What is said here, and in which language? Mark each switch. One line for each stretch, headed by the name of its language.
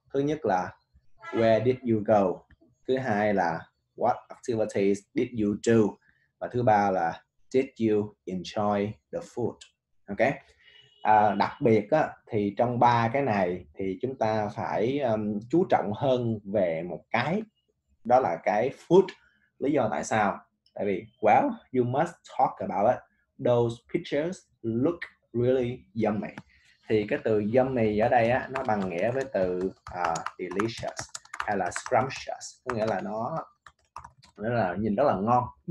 Vietnamese: Thứ nhất là
English: where did you go?
Vietnamese: Thứ hai là
English: what activities did you do?
Vietnamese: Và thứ ba là
English: did you enjoy the food? Ok.
Vietnamese: Đặc biệt á, thì trong ba cái này thì chúng ta phải chú trọng hơn về một cái, đó là cái food. Lý do tại sao? Tại vì
English: well, you must talk about it. Those pictures look really yummy.
Vietnamese: Thì cái từ yummy ở đây á, nó bằng nghĩa với từ delicious hay là scrumptious, có nghĩa là nó là nhìn rất là ngon.